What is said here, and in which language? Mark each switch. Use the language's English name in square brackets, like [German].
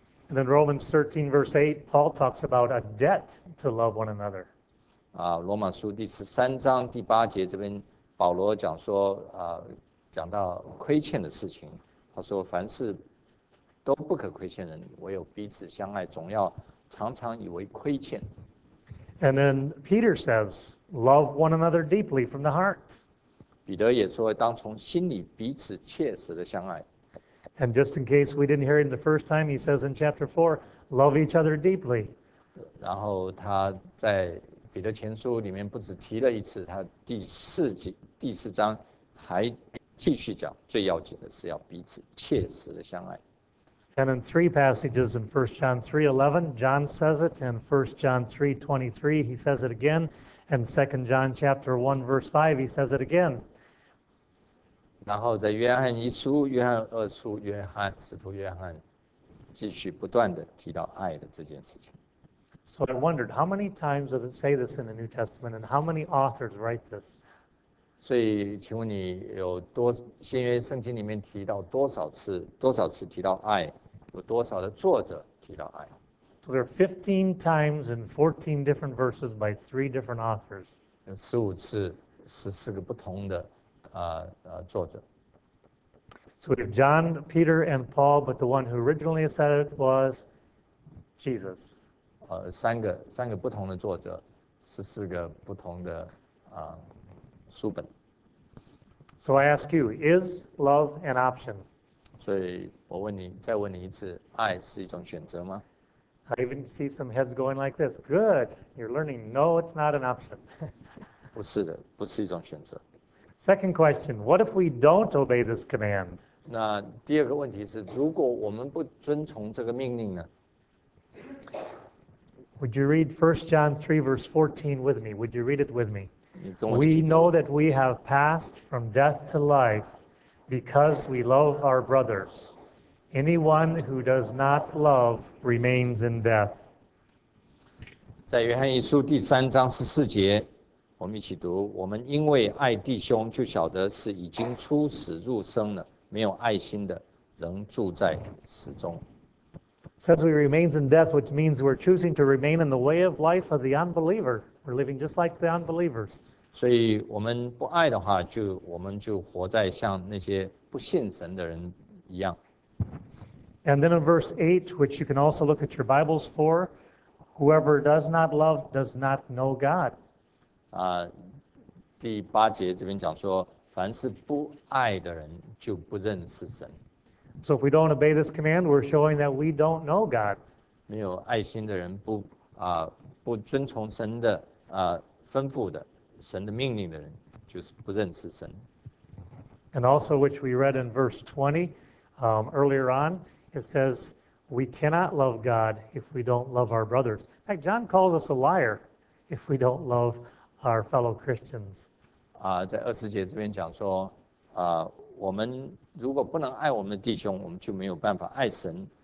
[English] And then Romans 13, verse 8, Paul talks about a debt to love one another. [Chinese] 罗马书第13章第8节这边，保罗讲说讲到亏欠的事情，他说凡事都不可亏欠人，唯有彼此相爱，总要常常以为亏欠。 [English] And then Peter says, love one another deeply from the heart. [Chinese] 彼得也说，当从心里彼此切实的相爱。 [English] And just in case we didn't hear him the first time, he says in chapter 4, love each other deeply. [Chinese] 然后他在彼得前书里面不止提了一次，他第四章还继续讲，最要紧的是要彼此切实的相爱。 [English] And in 3 passages in 1 John 3:11, John says it, and 1 John 3:23, he says it again, and 2 John chapter 1, verse 5, he says it again. [Chinese] 然后在约翰一书、约翰二书、约翰使徒约翰，继续不断的提到爱的这件事情。 [English] So I wondered, how many times does it say this in the New Testament, and how many authors write this? [Chinese] 所以，请问你有多新约圣经里面提到多少次？多少次提到爱？有多少的作者提到爱？ [English] So there are 15 times in 14 different verses by 3 different authors. [Chinese] 有15次，14个不同的作者。 [English] So we have John, Peter, and Paul, but the one who originally said it was Jesus. [Chinese] 三个不同的作者，14个不同的书本。 [English] So I ask you, is love an option? [Chinese] 所以我问你，再问你一次，爱是一种选择吗？ [English] I even see some heads going like this. Good, you're learning. No, it's not an option. [Chinese] 不是的，不是一种选择。 [English] Second question, what if we don't obey this command? [Chinese] 那第二个问题是，如果我们不遵从这个命令呢？ [English] Would you read 1 John 3, verse 14 with me? Would you read it with me? [Chinese] 你跟我一 [English] We [Chinese] 起 [English] know [Chinese] 读。 [English] that we have passed from death to life because we love our brothers. Anyone who does not love remains in death. [Chinese] 在约翰一书第3章14节，我们一起读：我们因为爱弟兄，就晓得是已经出死入生了。没有爱心的，仍住在始终。 [English] Says we remain in death, which means we're choosing to remain in the way of life of the unbeliever. We're living just like the unbelievers. [Chinese] 所以我们不爱的话，就我们就活在像那些不信神的人一样。 [English] And then in verse 8, which you can also look at your Bibles for, whoever does not love does not know God. [Chinese] 第八节这边讲说，凡是不爱的人就不认识神。 [English] So if we don't obey this command, we're showing that we don't know God. [Chinese] 没有爱心的人不不遵从神的吩咐的神的命令的人，就是不认识神。 [English] And also, which we read in verse 20, earlier on, it says we cannot love God if we don't love our brothers. In fact, John calls us a liar if we don't love our fellow Christians. [Chinese] 在二十节这边讲说，我们如果不能爱我们的弟兄，我们就没有办法爱神。